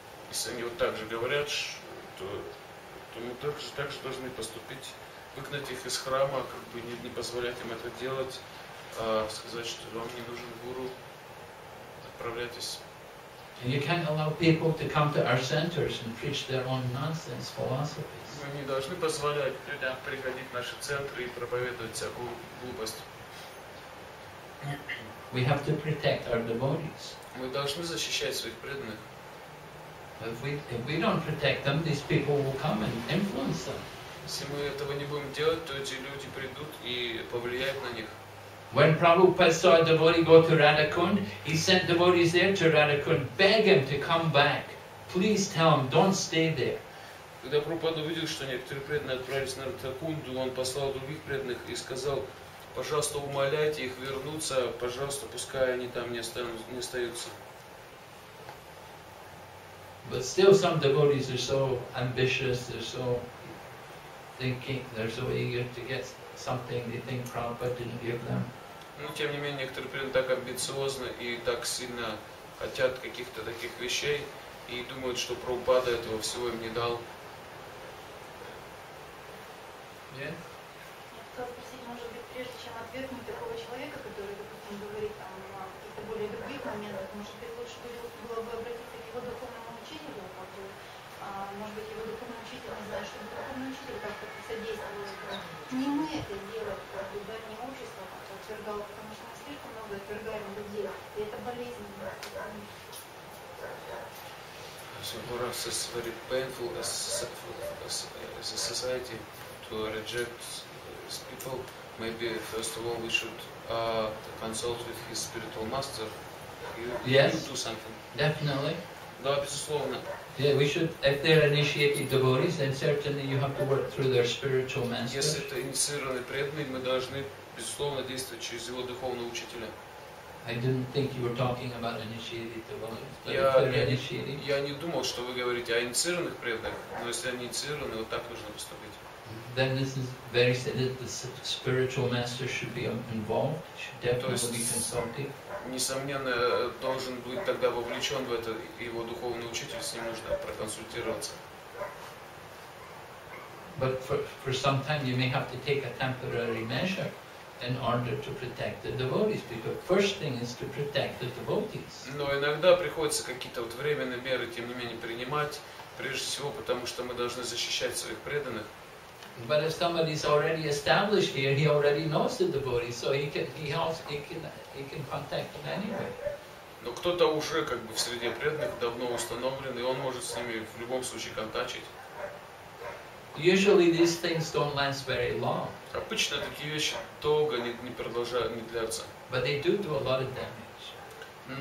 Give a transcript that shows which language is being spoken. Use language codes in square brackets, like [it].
[ru] Если они вот так же говорят, то мы также должны поступить, выгнать их из храма, как бы не позволять им это делать, сказать, что вам не нужен гуру, отправляйтесь. [en] And you can't allow people to come to our centers and preach their own nonsense philosophies. [ru] Мы не должны позволять людям приходить в наши центры и проповедовать всякую глупость. [en] We have to protect our devotees. [ru] Мы должны защищать своих преданных. [en] If we don't protect them, these people will come and influence them. [ru] Если мы этого не будем делать, то эти люди придут и повлияют на них. [en] When Prabhupada saw a devotee go to Radha Kund, he sent devotees there to Radha Kund, beg him to come back. Please tell him, don't stay there. [ru] Когда Прабхупада увидел, что некоторые преданные отправились на Радха Кунду, он послал других преданных и сказал, пожалуйста, умоляйте их вернуться, пожалуйста, пускай они там не остаются. [en] But still some devotees are so ambitious, they're so eager to get something they think Prabhupada didn't give them. [ru] Но тем не менее некоторые преданные так амбициозны и так сильно хотят каких-то таких вещей и думают, что Прабхупада этого всего им не дал. Нет? Я хотела спросить, может быть, прежде чем отвергнуть такого человека, который, допустим, говорит там о каких-то более других моментах, может быть, лучше было бы обратиться к его духовному учителю, может быть, его духовный учитель, не знаю, что духовный учитель как-то содействует. Не мы это делать, как бы, да, не общество как-то отвергало, потому что мы слишком много отвергаем людей, и это болезненно. [en] So for us it's very painful as a society to reject these people. Maybe first of all we should consult with his spiritual master. Yes, do something. Definitely. [ru] Да, безусловно. [en] Yeah, we should. If they're initiated devotees, then certainly you have to work through their spiritual master. [ru] Если это инициированные преданные, мы должны безусловно действовать через его духовного учителя. [en] I didn't think you were talking about initiated devotees, but if [ru] я не думал, что вы говорите о инициированных преданных, но если они инициированы, вот так нужно поступить. [en] Then this is very said that the spiritual master should be involved, should definitely be consulted. [ru] Несомненно, должен быть тогда вовлечен в это его духовный учитель, с ним нужно проконсультироваться. [en] But for some time you may have to take a temporary measure in order to protect the devotees, because first thing is to protect the devotees. [ru] Но иногда приходится какие-то вот временные меры, тем не менее, принимать, прежде всего, потому что мы должны защищать своих преданных. [en] But if somebody is already established here, he already knows the devotees, so he can contact them anyway. [ru] Но кто-то уже как бы в среде преданных давно установлен, и он может с ними в любом случае контактировать. [en] Usually these things don't last very long. [ru] Обычно такие вещи долго не продолжают, не длятся. [en] But they do a lot of damage.